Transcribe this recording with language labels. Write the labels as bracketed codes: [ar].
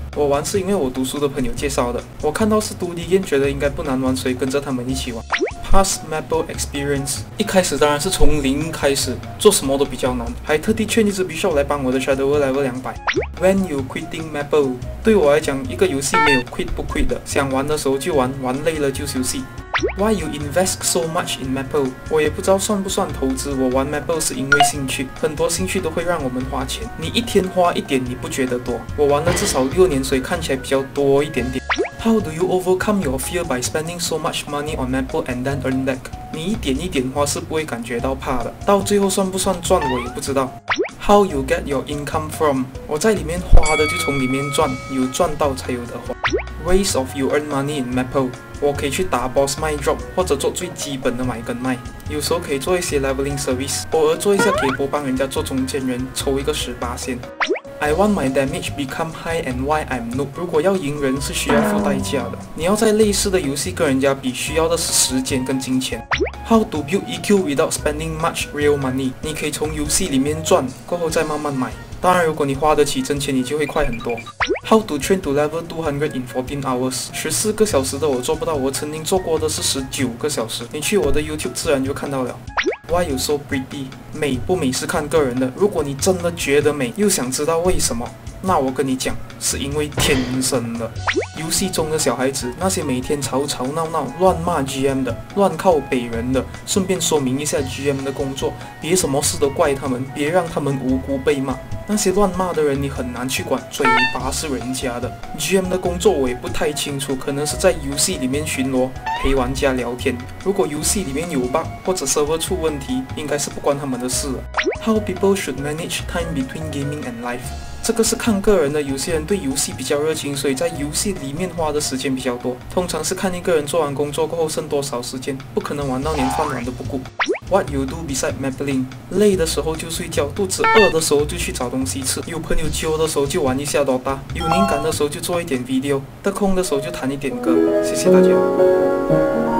[zh] 我玩是因为我读书的朋友介绍的，我看到是独立燕，觉得应该不难玩，所以跟着他们一起玩。 [en] Past Maple Experience， [zh] 一开始当然是从零开始，做什么都比较难，还特地劝一只 Bishop 来帮我的 Shadow Level 200。 [en] When you quitting Maple？ [zh] 对我来讲，一个游戏没有 quit 不 quit 的，想玩的时候就玩，玩累了就休息。 [en] Why you invest so much in Maple？ [zh] 我也不知道算不算投资，我玩 Maple 是因为兴趣，很多兴趣都会让我们花钱，你一天花一点你不觉得多，我玩了至少6年，所以看起来比较多一点点。 [en] How do you overcome your fear by spending so much money on Maple and then earn back？ [zh] 你一点一点花是不会感觉到怕的，到最后算不算赚我也不知道。 [en] How you get your income from？ [zh] 我在里面花的就从里面赚，有赚到才有的花。 [en] Ways of you earn money in Maple？ [zh] 我可以去打 boss 卖 drop， 或者做最基本的买跟卖，有时候可以做一些 leveling service， 偶尔做一下给波帮人家做中间人，抽一个18%。 [en] I want my damage become high and why I'm noob。 [zh] 如果要赢人是需要付代价的，你要在类似的游戏跟人家比，需要的是时间跟金钱。 [en] How to build EQ without spending much real money？ [zh] 你可以从游戏里面赚，过后再慢慢买。当然，如果你花得起真钱，你就会快很多。 [en] How to train to level 200 in 14 hours？ [zh] 14个小时的我做不到，我曾经做过的是19个小时。你去我的 YouTube 自然就看到了。 [en] Why you so pretty？ [zh] 美不美是看个人的，如果你真的觉得美又想知道为什么，那我跟你讲，是因为天生的。游戏中的小孩子，那些每天吵吵闹闹乱骂 GM 的，乱靠北人的，顺便说明一下 GM 的工作，别什么事都怪他们，别让他们无辜被骂。那些乱骂的人你很难去管，嘴巴是人家的。 GM 的工作我也不太清楚，可能是在游戏里面巡逻陪玩家聊天，如果游戏里面有 bug 或者 server 出问题，应该是不关他们的事。 [en] How people should manage time between gaming and life？ [zh] 这个是看个人的，有些人对游戏比较热情，所以在游戏里面花的时间比较多，通常是看一个人做完工作过后剩多少时间，不可能玩到连饭碗都不顾。 [en] What you do beside mapling？ [zh] 累的时候就睡觉，肚子饿的时候就去找东西吃，有朋友揪的时候就玩一下 Dota， 有灵感的时候就做一点 video， 得空的时候就弹一点歌。谢谢大家。